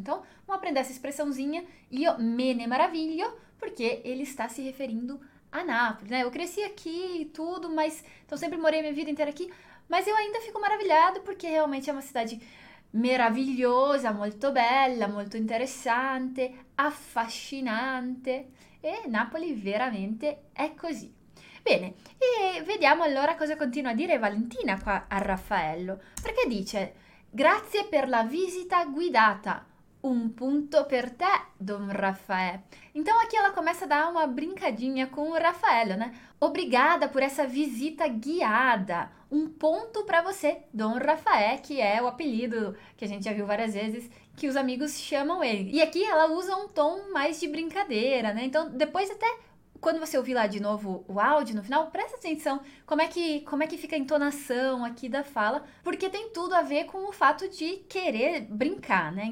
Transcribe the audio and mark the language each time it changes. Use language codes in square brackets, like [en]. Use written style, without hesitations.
[pt] Então, vamos aprender essa expressãozinha, [it] io me ne maraviglio, [pt] porque ele está se referindo a Nápoles, né? Eu cresci aqui e tudo, mas então sempre morei a minha vida inteira aqui, mas eu ainda fico maravilhado porque realmente é uma cidade [it] meravigliosa, molto bella, molto interessante, affascinante. E Napoli veramente è così. Bene, e vediamo allora cosa continua a dire Valentina qua a Raffaello, perché dice: grazie per la visita guidata, un punto per te, Don Raffaele. [pt] Então aqui ela começa a dar uma brincadinha com o Raffaello, né? Obrigada por essa visita guiada, um ponto para você, Don Raffaele, que é o apelido que a gente já viu várias vezes, que os amigos chamam ele. E aqui ela usa um tom mais de brincadeira, né? Então depois até, quando você ouvir lá de novo o áudio no final, presta atenção como é que fica a entonação aqui da fala, porque tem tudo a ver com o fato de querer brincar, né?